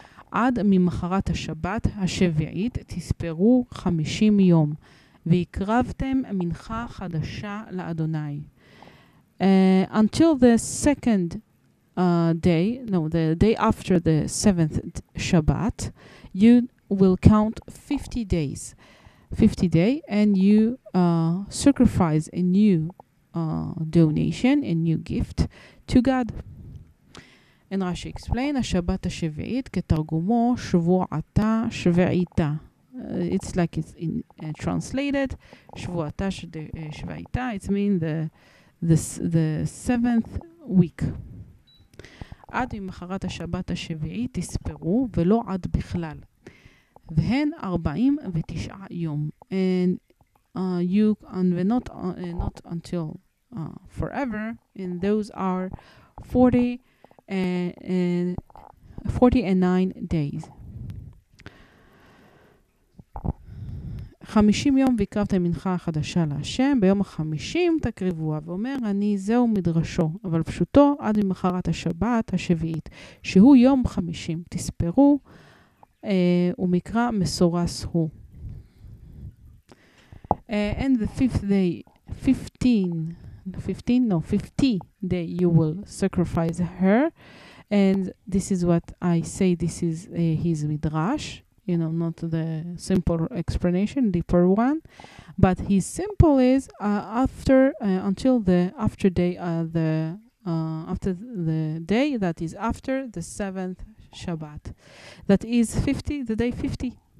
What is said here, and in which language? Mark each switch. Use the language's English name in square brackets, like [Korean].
[Hebrew] עד ממחרת השבת השביעית תספרו 50 יום והקרבתם מנחה חדשה לאדוני. [English] Until the second day, no, the day after the seventh Shabbat, you will count 50 days. 50 day, and you sacrifice a new donation, a new gift to God. And Rashi explain [Hebrew] Shabbat Shviit ketargumo Shvuata Shviita. [English] It's like it's in translated Shvuata Shviita. It means the seventh week. [Hebrew] Ad imcharat Shabbat Shviit tisperu velo ad bichlal. והן 49 יום. [English] And you and not not until forever, and those are 49 days. [Hebrew] 50 יום ויקרבת מנחה חדשה להשם, ביום ה-50 תקריבוה, ואומר אני זהו מדרשו, אבל פשוטו עד ממחרת השבת השביעית, שהוא יום 50, תספרו, ומקרא מסורס הוא. [English] And the fifty day you will sacrifice her, and this is what I say, this is his midrash. You know, not the simple explanation, deeper one, but his simple is after the day that is after the seventh Shabbat, that is 50, the day 50.